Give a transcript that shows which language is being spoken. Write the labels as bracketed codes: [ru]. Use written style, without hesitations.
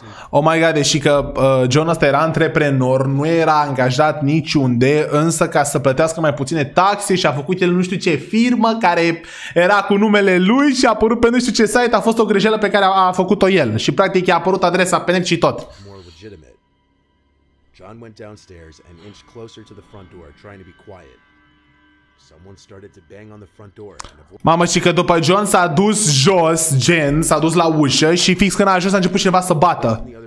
[en] Oh my god, [ro] deși că John ăsta era antreprenor, nu era angajat niciunde, însă ca să plătească mai puține taxe și a făcut el nu știu ce firmă care era cu numele lui și a apărut pe nu știu ce site, a fost o greșeală pe care a făcut-o el și practic i-a apărut adresa pe net și tot. [en] John went downstairs and inched closer to the front door, trying to be quiet. Someone started to bang on the front door. [ro] Mamă, și că după John s-a dus jos, gen, s-a dus la ușă și fix când a ajuns a început cineva să bată.